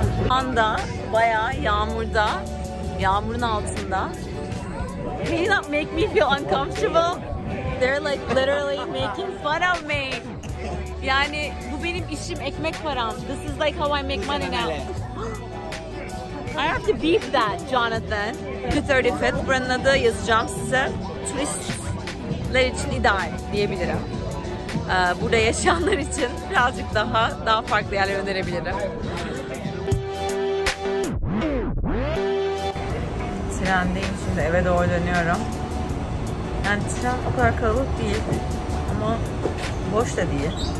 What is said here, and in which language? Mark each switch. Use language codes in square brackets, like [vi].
[tr] Anda bayağı yağmurda, yağmurun altında. [en] Can you not make me feel uncomfortable? They're like literally making fun of me. [tr] Yani bu benim işim, ekmek param. [en] This is like how I make money now. I have to beef that, Jonathan. [tr] 235th, buranın adı, yazacağım size. Turistler için ideal diyebilirim. Burada yaşayanlar için birazcık daha farklı yerler önerebilirim. Trendeyim, şimdi eve doğru dönüyorum. Yani tren o kadar kalabalık değil ama boş da değil.